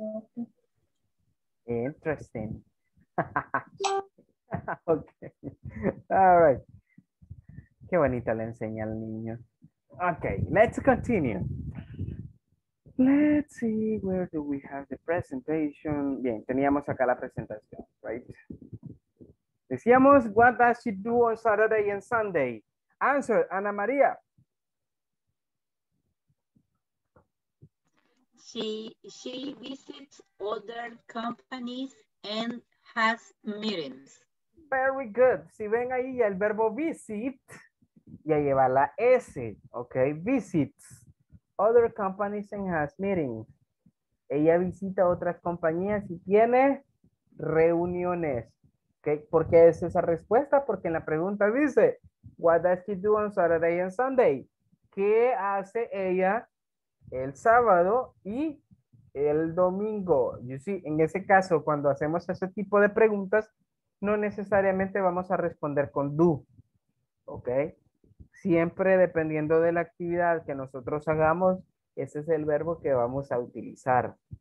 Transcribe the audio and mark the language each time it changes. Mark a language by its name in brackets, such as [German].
[Spanish] B-O-T. [English] Interesting. Ok. All right. [Spanish] Qué bonita le enseña al niño. [English] Okay, let's continue. Let's see, where do we have the presentation? [Spanish] Bien, teníamos acá la presentación, [English] right? [Spanish] Decíamos, [English] what does she do on Saturday and Sunday? Answer, Ana María. She visits other companies and has meetings. Very good. [Spanish] Si ven ahí el verbo visit, ya lleva la S, ok, visits. [English] Other companies and has meetings. [Spanish] Ella visita otras compañías y tiene reuniones. ¿Okay? ¿Por qué es esa respuesta? Porque en la pregunta dice, [English] what does she do on Saturday and Sunday? [Spanish] ¿Qué hace ella el sábado y el domingo? [English] You see, [Spanish] en ese caso, cuando hacemos ese tipo de preguntas, no necesariamente vamos a responder con do. ¿Ok? Siempre dependiendo de la actividad que nosotros hagamos, ese es el verbo que vamos a utilizar.